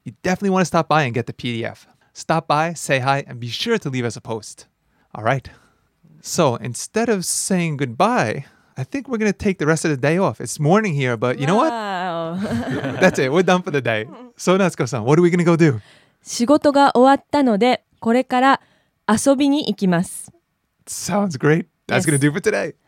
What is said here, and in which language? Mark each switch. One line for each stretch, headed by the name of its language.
English: You definitely want to stop by and get the PDF. Stop by, say hi, and be sure to leave us a post. All right. So instead of saying goodbye, I think we're going to take the rest of the day off. It's morning here, but you know what? That's it. We're done for the day. So, Natsuko-san, what are we going to go do?
Japanese: 仕事が終わったので、これから遊びに行きます。
English: Sounds great. That's going to do for today.